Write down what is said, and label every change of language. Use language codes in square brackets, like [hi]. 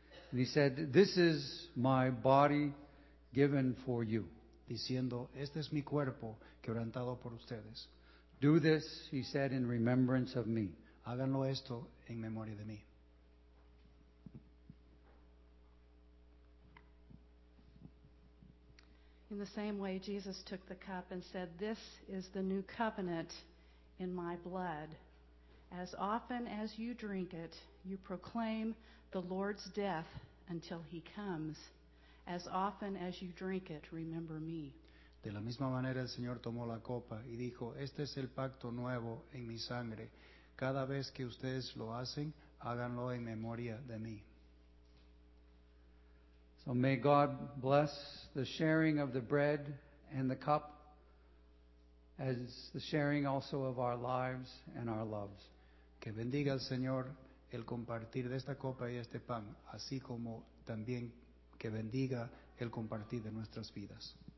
[en] And he said, "This is my body given for you." [es] Diciendo, "Este es mi cuerpo quebrantado por ustedes." [en] "Do this," he said, "in remembrance of me." [es] Háganlo esto en memoria de mí. [en] In the same way, Jesus took the cup and said, "This is the new covenant in my blood. As often as you drink it, you proclaim the Lord's death until he comes. As often as you drink it, remember me." [es] De la misma manera, el Señor tomó la copa y dijo, "Este es el pacto nuevo en mi sangre. Cada vez que ustedes lo hacen, háganlo en memoria de mí." [en] So may God bless the sharing of the bread and the cup, as the sharing also of our lives and our loves. [es] Que bendiga el Señor el compartir de esta copa y este pan, así como también que bendiga el compartir de nuestras vidas.